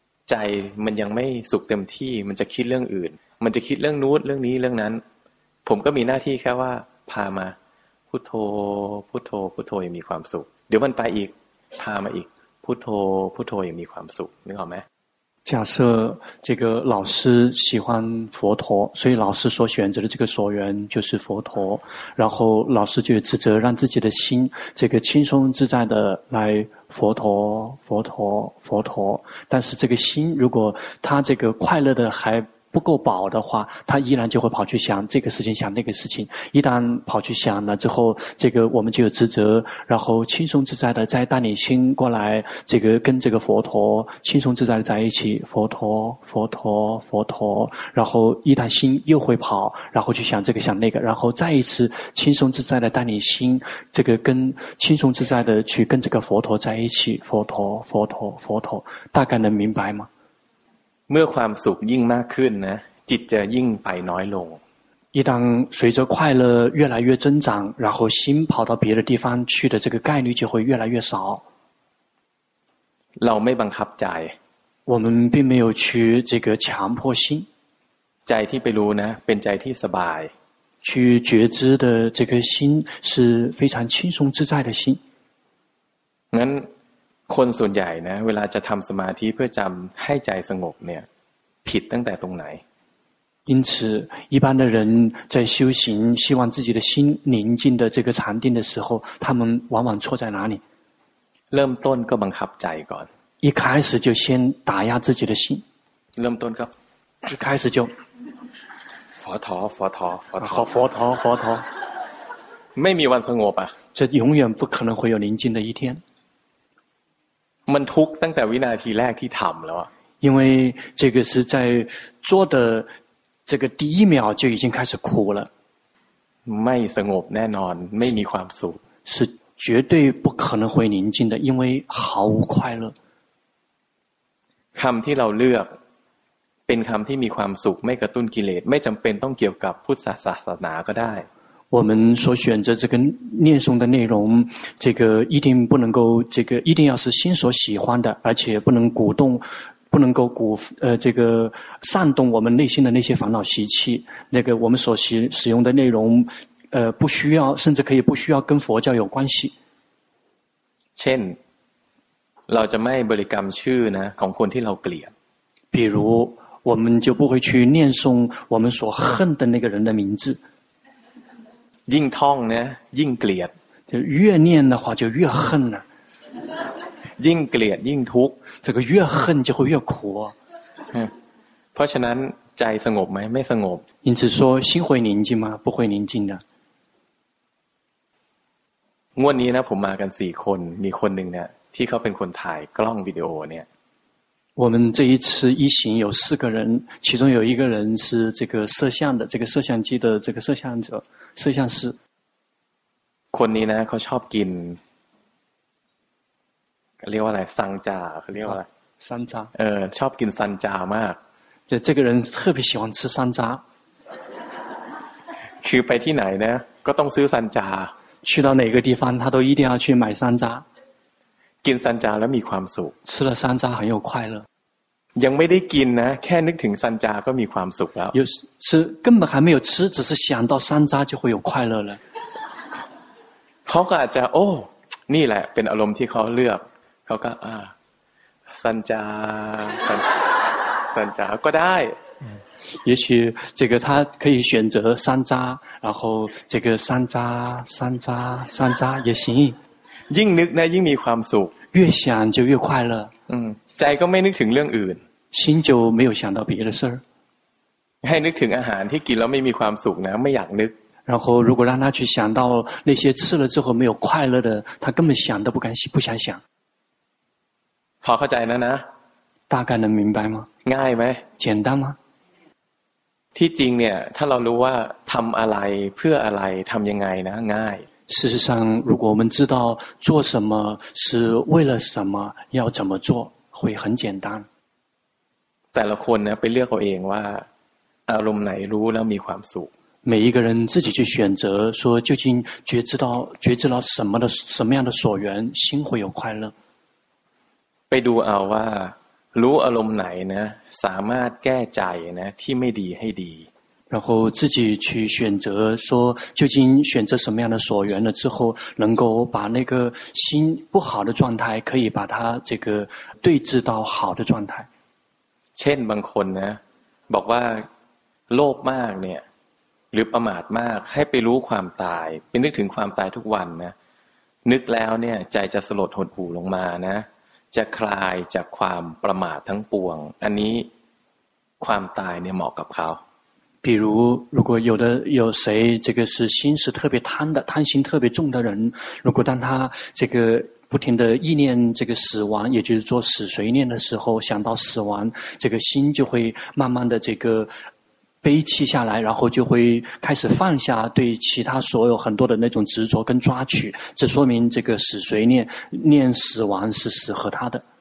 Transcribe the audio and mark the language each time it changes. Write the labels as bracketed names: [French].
[Thai] ใจมันยังไม่สุขเต็มที่มันจะคิดเรื่องอื่นมันจะคิดเรื่องนู้นเรื่องนี้เรื่องนั้นผมก็มีหน้าที่แค่ว่าพามาพุทโธพุทโธพุทโธยังมีความสุขเดี๋ยวมันไปอีกพามาอีกพุทโธพุทโธยังมีความสุขนึกออกไหม [Chinese] 假设这个老师喜欢佛陀所以老师所选择的这个所缘就是佛陀然后老师就有职责让自己的心这个轻松自在的来佛陀佛陀佛陀但是这个心如果他这个快乐的还不够饱的话，他依然就会跑去想这个事情，想那个事情。一旦跑去想了之后，这个我们就有职责，然后轻松自在的再带领心过来，这个跟这个佛陀轻松自在的在一起，佛陀，佛陀，佛陀。然后一旦心又会跑，然后去想这个想那个，然后再一次轻松自在的带领心，这个跟轻松自在的去跟这个佛陀在一起，佛陀，佛陀，佛陀。大概能明白吗？ [Thai] เมื่อความสุขยิ่งมากขึ้นนะจิตจะยิ่งไปน้อยลง [Chinese] 一旦随着快乐越来越增长然后心跑到别的地方去的这个概率就会越来越少 [Thai] เราไม่บังคับใจ [Chinese] 我们并没有去这个强迫心 [Thai] ใจที่ไปรู้นะเป็นใจที่สบาย [Chinese] 去觉知的这个心是非常轻松自在的心 [Thai] งั้นคนส่วนใหญ่นะเวลาจะทำสมาธิเพื่อจำให้ใจสงบเนี่ยผิดตั้งแต่ตรงไหน [Chinese] 因此一般的人在修行希望自己的心宁静的这个禅定的时候他们往往错在哪里 [Thai] เริ่มต้นก็บังคับใจก่อน [Chinese] 一开始就先打压自己的心 [Thai] เริ่มต้นก็ [Chinese] 一开始就佛陀佛陀佛陀好佛陀佛陀 [Thai] ไม่มีวันสงบอ่ะ [Chinese] 这永远不可能会有宁静的一天 [Thai] มันทุกตั้งแต่วินาทีแรกที่ทำแล้วอ่ะ [Chinese] 因为这个是在做的这个第一秒就已经开始苦了 [Thai] ไม่สงบแน่นอนไม่มีความสุข [Chinese] 是绝对不可能会宁静的因为毫无快乐 [Thai] คำที่เราเลือกเป็นคำที่มีความสุขไม่กระตุ้นกิเลสไม่จำเป็นต้องเกี่ยวกับพุทธศาสนาก็ได้ [Chinese] 我们所选择这个念诵的内容，这个一定不能够，这个一定要是心所喜欢的，而且不能鼓动，不能够鼓这个煽动我们内心的那些烦恼习气。那个我们所使用的内容，不需要，甚至可以不需要跟佛教有关系。 [Thai] เช่น เราจะไม่บริกรรมชื่อนะของคนที่เราเกลียด [Chinese] 比如我们就不会去念诵我们所恨的那个人的名字。 [Thai] ยิ่งท่องเนี่ยยิ่งเกลียด [Chinese] 就越念的话就越恨了 [Thai] ยิ่งเกลียดยิ่งทุกข์ [Chinese] 这个越恨就会越苦 [Thai] เพราะฉะนั้นใจสงบไหมไม่สงบ [Chinese] 因此说心会宁静吗不会宁静的 [Thai] งวดนี้นะผมมากัน4คนมีคนหนึ่งเนี่ยที่เขาเป็นคนถ่ายกล้องวิดีโอเนี่ย [Chinese] 我们这一次一行有四个人其中有一个人是这个摄像的这个摄像机的这个摄像者摄像师 [Thai] คนนี้นะเขาชอบกินเรียกว่าอะไรซังจาเขาเรียกว่าอะไร ซันจา เออชอบกินซันจามาก [Chinese] 这个人特别喜欢吃山楂 [Thai] คือไปที่ไหนนะก็ต้องซื้อซันจา [Chinese] 去到哪个地方他都一定要去买山楂 [Thai] กินซันจาแล้วมีความสุข [Chinese] 吃了山楂很有快乐 [Thai] ยังไม่ได้กินนะแค่นึกถึงซันจาก็มีความสุขแล้ว [Chinese] 是根本还没有吃只是想到山楂就会有快乐了 [Thai] เขาก็อาจจะโอ้นี่แหละเป็นอารมณ์ที่เขาเลือกเขาก็ซันจาซันจาก็ได้ [Chinese] 也许这个他可以选择山楂然后这个山楂也行 [Thai] ยิ่งนึกนะยิ่งมีความสุข [Chinese] 越想就越快乐 [Thai] ใจก็ไม่นึกถึงเรื่องอื่น [Chinese] 心就没有想到别的事儿 [Thai] ให้นึกถึงอาหารที่กินแล้วไม่มีความสุขนะไม่อยากนึก [Chinese] 然后如果让他去想到那些吃了之后没有快乐的他根本想都不想想 [Thai] พอเข้าใจนะ [Chinese] 大概能明白吗 [Thai] ง่ายไหม [Chinese] 简单吗 [Thai] ที่จริงเนี่ยถ้าเรารู้ว่าทำอะไรเพื่ออะไรทำยังไงนะง่าย [Chinese] 事实上如果我们知道做什么是为了什么要怎么做会很简单 [Thai] แต่ละคนนะไปเลือกเอาเองว่าอารมณ์ไหนรู้แล้วมีความสุข [Chinese] 每一个人自己去选择说究竟觉知到什么的什么样的所缘心会有快乐 [Thai] ไปดูเอาว่ารู้อารมณ์ไหนนะสามารถแก้ใจนะที่ไม่ดีให้ดี [Chinese] 然后自己去选择说究竟选择什么样的所缘了之后能够把那个心不好的状态可以把它这个对治到好的状态 [Thai] เช่นบางคนนะบอกว่าโลภมากเนี่ยหรือประมาทมากให้ไปรู้ความตายไปนึกถึงความตายทุกวันนะนึกแล้วเนี่ยใจจะสลดหดหู่ลงมานะจะคลายจากความประมาททั้งปวงอันนี้ ความตายเนี่ยเหมาะกับเขา [Chinese] 比如如果有的有谁这个是心是特别贪的贪心特别重的人如果当他这个不停的意念这个死亡也就是做死随念的时候想到死亡这个心就会慢慢的这个悲戚下来然后就会开始放下对其他所有很多的那种执着跟抓取这说明这个死随念念死亡是适合他的